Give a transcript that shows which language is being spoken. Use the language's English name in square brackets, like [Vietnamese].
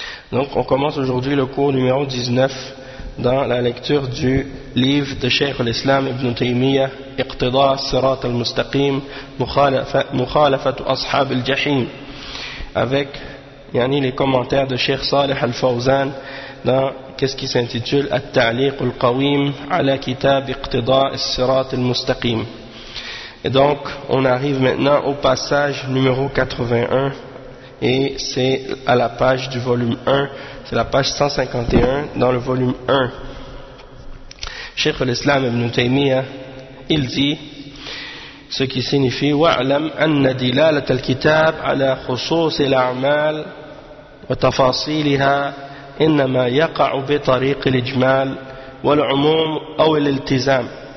[French] Donc on commence aujourd'hui le cours numéro 19 dans la lecture du livre de Cheikh l'Islam Ibn Taymiyyah, Iqtida Sirat al-Mustaqim, Mukhalafat Ashab al-Jahim, avec yani les commentaires de Cheikh Salih al-Fawzan dans qu'est-ce qui s'intitule At-Ta'liq al-Qawim ala Kitab Iqtida Sirat al-Mustaqim. Et donc, on arrive maintenant au passage numéro 81, et c'est à la page du volume 1, c'est la page 151 dans le volume 1. Cheikh l'Islam Ibn Taymiyyah, il dit ce qui signifie [Arabic] وَعْلَمْ أَنَّ دِلَالَةَ الْكِتَابِ عَلَى خُصُوصِ الْأَعْمَالِ وَتَفَاصِيلِهَا إِنَّمَا يَقَعُ بِطَرِيقِ الْإِجْمَالِ وَالْعُمُومِ أَوْ الْإِلْتِزَامِ